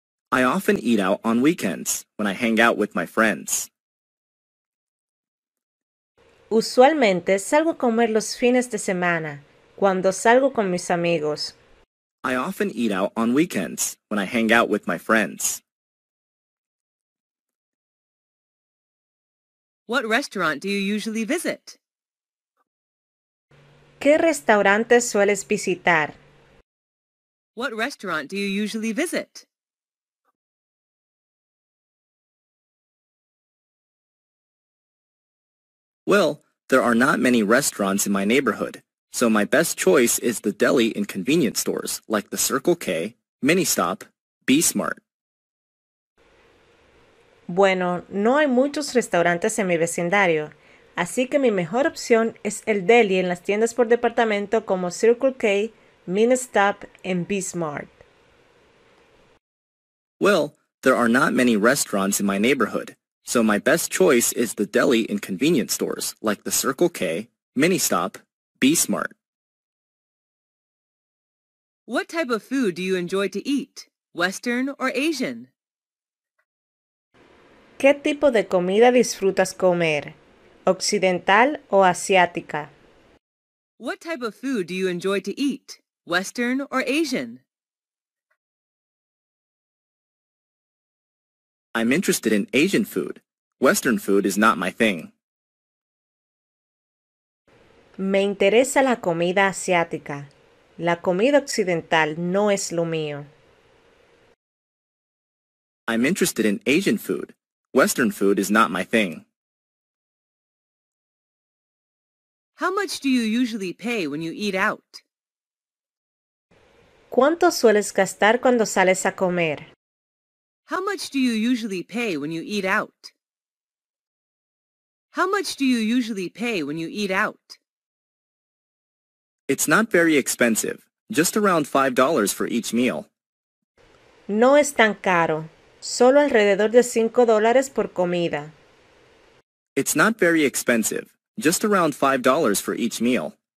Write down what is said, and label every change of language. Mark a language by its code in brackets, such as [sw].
[en] I often eat out on weekends when I hang out with my friends. [es] Usualmente salgo a comer los fines de semana, cuando salgo con mis amigos. [en] I often eat out on weekends when I hang out with my friends. What restaurant do you usually visit? [es] ¿Qué restaurante sueles visitar? [en] What restaurant do you usually visit? Well, there are not many restaurants in my neighborhood, so my best choice is the deli and convenience stores like the Circle K, Mini Stop, B-Smart. [es] Bueno, no hay muchos restaurantes en mi vecindario, así que mi mejor opción es el deli en las tiendas por departamento como Circle K, Mini Stop y B-Smart. [en] Well, there are not many restaurants in my neighborhood, so my best choice is the deli and convenience stores like the Circle K, Mini Stop, B-Smart. What type of food do you enjoy to eat, Western or Asian? [es] ¿Qué tipo de comida disfrutas comer, occidental o asiática? [en] What type of food do you enjoy to eat, Western or Asian? I'm interested in Asian food. Western food is not my thing. [es] Me interesa la comida asiática. La comida occidental no es lo mío. [en] I'm interested in Asian food. Western food is not my thing. How much do you usually pay when you eat out? [es] ¿Cuánto sueles gastar cuando sales a comer? [en] How much do you usually pay when you eat out? How much do you usually pay when you eat out? It's not very expensive, just around $5 for each meal. [es] No es tan caro, solo alrededor de $5 por comida. [en] It's not very expensive, just around $5 for each meal.